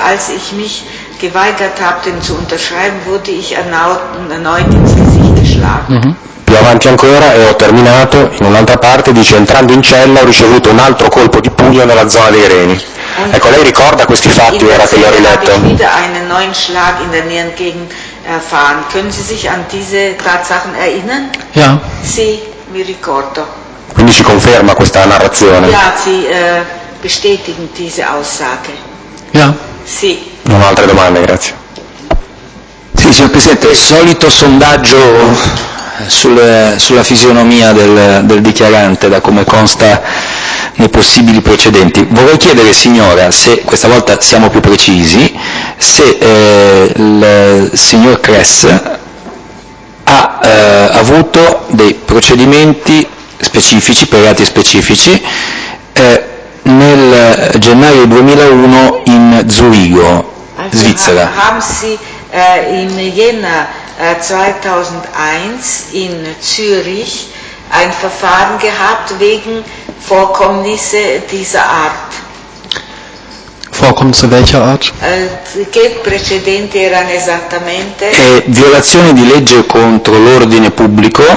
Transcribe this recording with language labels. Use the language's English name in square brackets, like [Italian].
[German] Als ich mich geweigert habe, den zu unterschreiben, wurde ich erneut ins Gesicht geschlagen. [Italian] Più avanti ancora, e ho terminato, in un'altra parte dice: entrando in cella ho ricevuto un altro colpo di pugno nella zona dei reni. Ecco, lei ricorda questi fatti ora che l'ho riletto? [German] Ich wieder einen neuen Schlag in der Nierengegend erfahren. Können Sie sich an diese Tatsachen erinnern? Ja. [Italian] Sì, mi ricordo. Quindi ci conferma questa narrazione? [German] Ja, sie bestätigen diese Aussage. Ja. [Italian] Sì. Non ho altre domande, grazie. Sì, signor Presidente, il solito sondaggio sulla fisionomia del dichiarante, da come consta nei possibili precedenti. Vorrei chiedere, signora, se questa volta siamo più precisi, se il signor Kress ha avuto dei procedimenti specifici, per reati specifici, nel gennaio 2001 in Zurigo, Svizzera. [German] Haben Sie im Jänner 2001 in Zürich ein Verfahren gehabt wegen Vorkommnisse dieser Art. Vorkommnisse welcher Art? [Italian] Che precedenti erano esattamente? Violazione di legge contro l'ordine pubblico.